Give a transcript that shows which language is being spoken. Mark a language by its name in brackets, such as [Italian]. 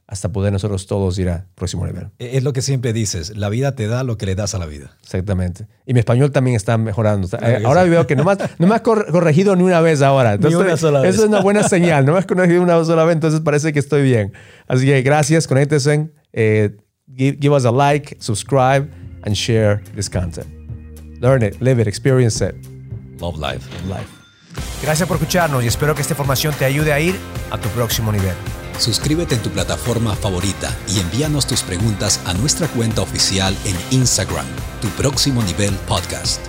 [Spanish] hasta poder nosotros todos ir al próximo nivel. Es lo que siempre dices, la vida te da lo que le das a la vida. Exactamente. Y mi español también está mejorando. Claro, ahora veo que no me has corregido ni una vez ahora. Entonces, ni una sola vez. Eso es una buena señal. No me has corregido una sola vez, entonces parece que estoy bien. Así que gracias, conéctense. [English] Give us a like, subscribe, and share this content. Learn it, live it, experience it. Love life. Love life. [Spanish] Gracias por escucharnos y espero que esta información te ayude a ir a tu próximo nivel. Suscríbete en tu plataforma favorita y envíanos tus preguntas a nuestra cuenta oficial en Instagram, Tu Próximo Nivel Podcast.